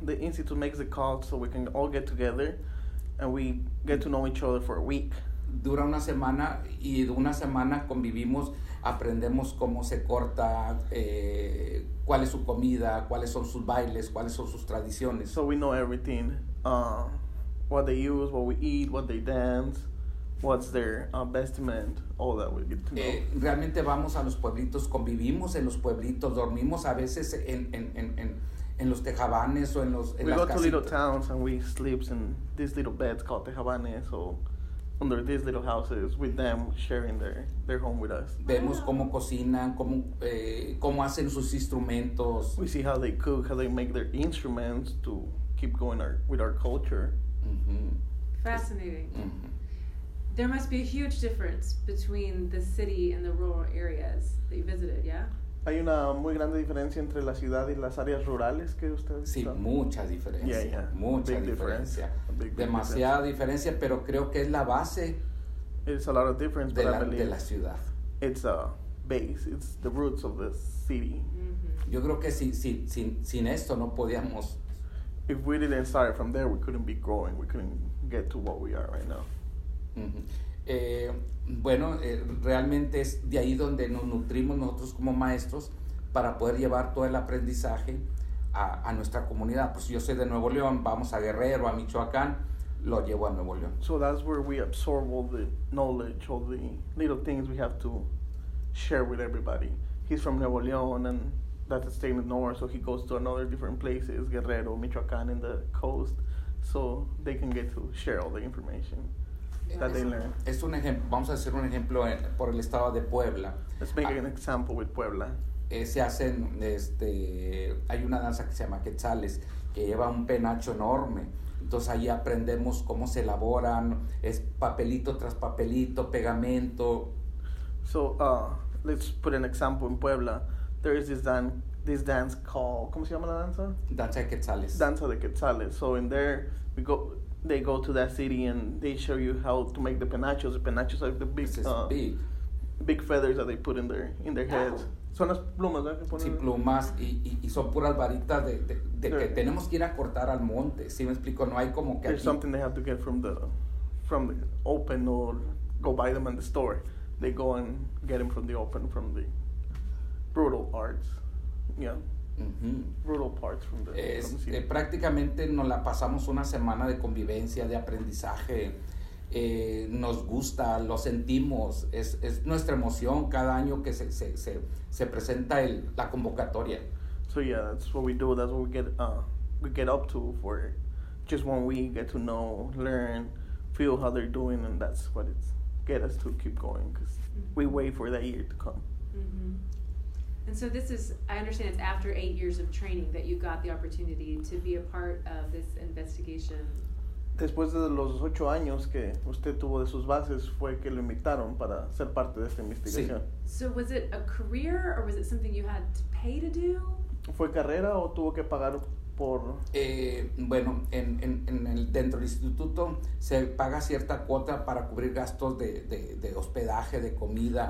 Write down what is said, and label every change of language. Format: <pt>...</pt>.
<en>The institute makes the call so we can all get together and we get to know each other for a week.</en> <es>Dura una semana y de una semana convivimos, aprendemos cómo se corta, cuál es su comida, cuáles son sus bailes, cuáles son sus tradiciones.</es> <en>So we know everything, what they use, what we eat, what they dance, what's their vestment, all that we get to know.</en> <es>Realmente vamos a los pueblitos, convivimos en los pueblitos, dormimos a veces en los tejabanes o en las casitas.</es> <en>We go to little towns and we sleep in these little beds called tejabanes or under these little houses with them sharing their home with us.</en> <es>Vemos cómo cocinan, cómo hacen sus instrumentos.</es> <en>We see how they cook, how they make their instruments to keep going with our culture. Mm-hmm. Fascinating. Mm-hmm. There must be a huge difference between the city and the rural areas that you visited, yeah?</en> <es>Hay una muy grande diferencia entre la ciudad y las áreas rurales que usted visitó. Sí, mucha diferencia.</es> <en>Yeah, yeah.</en> <es>Mucha</es> <en>big</en> <es>diferencia.</es> <en>Difference.</en> <es>Demasiada diferencia, pero creo que es la base.</es> <en>It's a lot of difference, but I believe</en> <es>de la ciudad.</es> <en>It's a base. It's the roots of the city. Mm-hmm.</en> <es>Yo creo que sin esto no podíamos.</es> <en>If we didn't start from there, we couldn't be growing. We couldn't get to what we are right now. Mm-hmm.</en> <es>Bueno, realmente es de ahí donde nos nutrimos nosotros como maestros para poder llevar todo el aprendizaje a nuestra comunidad. Pues yo soy de Nuevo León, vamos a Guerrero, a Michoacán, lo llevo a Nuevo León.</es> <en>So that's where we absorb all the knowledge, all the little things we have to share with everybody. He's from Nuevo León, and that's a state in the north, so he goes to another different places, Guerrero, Michoacán, in the coast, so they can get to share all the information that they learn.</en> <es>Es un ejemplo, vamos a hacer un ejemplo por el estado de Puebla.</es> <en>Let's make an example with Puebla.</en> <es>Se hacen, hay una danza que se llama Quetzales, que lleva un penacho enorme. Entonces ahí aprendemos cómo se elaboran, es papelito tras papelito, pegamento.</es> <en>So, let's put an example in Puebla. There is this dance called,</en> <es>¿cómo se llama la danza? Danza de Quetzales. Danza de Quetzales.</es> <en>So in there, they go to that city and they show you how to make the penachos. The penachos are the big feathers that they put in their heads.</en> <es>Son las plumas, ¿verdad? Que ponen. Sí, plumas y son puras varitas de que tenemos que ir a cortar al monte. ¿Sí me explico? No hay como que</es> <en>there's</en> <es>aquí</es> <en>something they have to get from the open or go buy them in the store. They go and get them from the open, from the brutal arts. Yeah. Mm-hmm. Brutal parts from the city.</en> <es>Prácticamente nos la pasamos una semana de convivencia, de aprendizaje. Nos gusta, lo sentimos, es nuestra emoción cada año que se presenta la convocatoria.</es> <en>So yeah, that's what we do, that's what we get up to for just 1 week, get to know, learn, feel how they're doing, and that's what it's get us to keep going, because mm-hmm. we wait for that year to come. Mm-hmm. And so this is, I understand it's after 8 years of training that you got the opportunity to be a part of this investigation.</en> <es>Después de los 8 años que usted tuvo de sus bases, fue que lo invitaron para ser parte de esta investigación. Sí.</es> <en>So was it a career or was it something you had to pay to do?</en> <es>¿Fue carrera o tuvo que pagar por? Bueno, dentro del instituto se paga cierta cuota para cubrir gastos de hospedaje, de comida.</es>